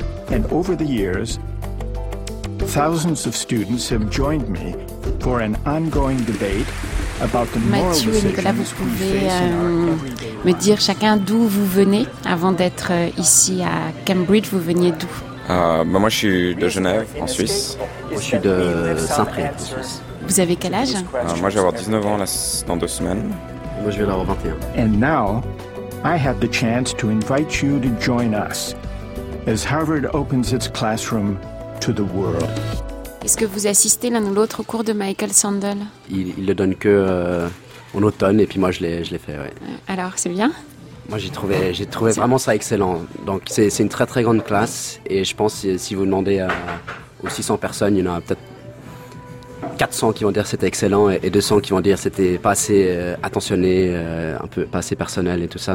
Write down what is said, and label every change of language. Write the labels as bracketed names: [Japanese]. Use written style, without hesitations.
[English] And over the years, thousands of students have joined me for an ongoing debate about the moral [French] Mathieu et Nicolas, vous pouvez me dire chacun d'où vous venez avant d'être ici à Cambridge. Vous veniez d'où? Moi, je suis de Genève, en Suisse. Moi, je suis de Saint-Priest, en Suisse. Vous avez quel âge? Moi, je vais avoir 19 ans dans deux semaines. Moi, je vais avoir 21. [English] And now, I have the chance to invite you to join us as Harvard opens its classroom to the world. [French] Est-ce que vous assistez l'un ou l'autre au cours de Michael Sandel? Il le donne que en automne et puis moi je l'ai fait. Ouais. Alors c'est bien? Moi j'ai trouvé vraiment ça excellent. Donc c'est une très très grande classe et je pense si vous demandez aux 600 personnes, il y en a peut-être 400 qui vont dire que c'était excellent et 200 qui vont dire que c'était pas assez attentionné, un peu pas assez personnel et tout ça.